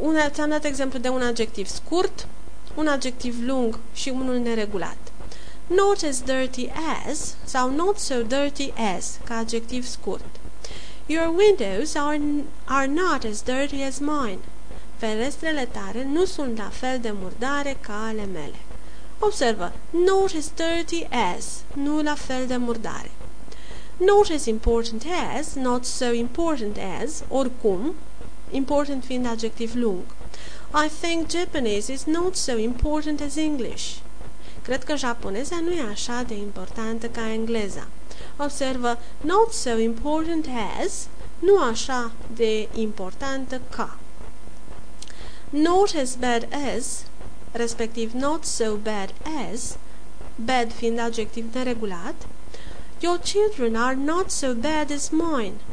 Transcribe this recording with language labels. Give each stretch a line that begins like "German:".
Romanian: Ți-am dat exemplu de un adjectiv scurt, un adjectiv lung și unul neregulat.
English: Not as dirty as sau not so dirty as
Romanian: ca adjectiv scurt.
English: Your windows are not as dirty as mine.
Romanian: Ferestrele tale nu sunt la fel de murdare ca ale mele. Observă,
English: not as dirty as,
Romanian: nu la fel de murdare.
English: Not as important as, not so important as,
Romanian: oricum, important fiind adjectiv lung.
English: I think Japanese is not so important as English.
Romanian: Cred că japoneza nu e așa de importantă ca engleza. Observă,
English: not so important as,
Romanian: nu așa de importantă ca.
English: Not as bad as,
Romanian: respectiv
English: not so bad as,
Romanian: bad fiind adjectiv neregulat,
English: your children are not so bad as mine.